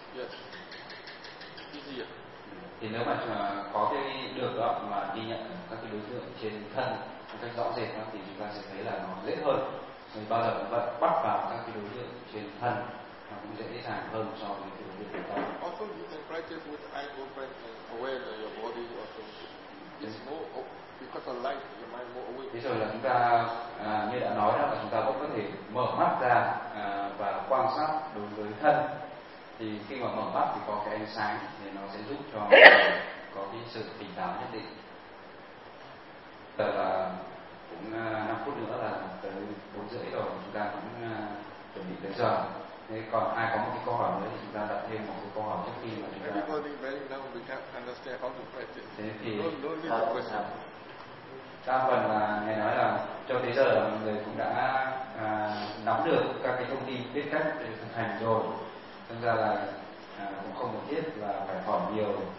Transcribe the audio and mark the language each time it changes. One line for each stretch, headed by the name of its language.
English: Yes. Easier.
Vietnamese: Thì nếu mà có cái được đó mà ghi nhận các cái đối tượng trên thân một cách rõ rệt đó, thì chúng ta sẽ thấy là nó dễ hơn. Vì bao giờ chúng ta bắt vào các cái đối tượng trên thân nó cũng dễ dàng hơn so với cái đối tượng tâm.
English: Also you can practice with eye movement and aware that your body also is more because of light, your mind more aware.
Vietnamese: Thế rồi là chúng ta như đã nói đó là chúng ta cũng có thể mở mắt ra và quan sát đối với thân. Thì khi mà mở mắt thì có cái ánh sáng thì nó sẽ giúp cho có cái sự tỉnh táo nhất định. Tức là cũng 5 phút nữa là tới 4 rưỡi rồi, chúng ta cũng chuẩn bị tới giờ. Thế còn ai có một cái câu hỏi nữa thì chúng ta đặt thêm một cái câu hỏi trước khi mà chúng ta...
English: Everybody very now we can't understand how to practice.
Vietnamese: Thế thì...
English: Don't leave the question.
Vietnamese: Đa phần là nghe nói là cho tới giờ là mọi người cũng đã nắm được các cái thông tin biết cách để thực hành rồi. Thật ra là cũng không cần thiết là phải hỏi nhiều.